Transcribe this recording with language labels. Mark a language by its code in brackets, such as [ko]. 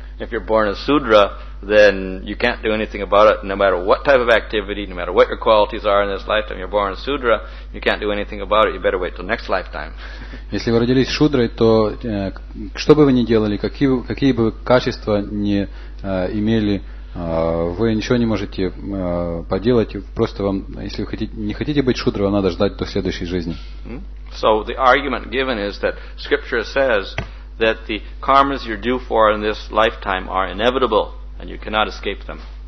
[en] If you're born a sudra, then you can't do anything about it, no matter what type of activity, no matter what your qualities are in this lifetime. You're born a sudra, you can't do anything about it. You better wait till next lifetime. [ru] Если вы родились шудрой, то что бы вы ни делали, какие бы качества ни имели, вы ничего не можете поделать. Просто вам, если вы не хотите быть шудрой, вам надо ждать до следующей жизни. [en] So the argument given is that scripture says that the karmas you're due for in this lifetime are inevitable and you cannot escape them.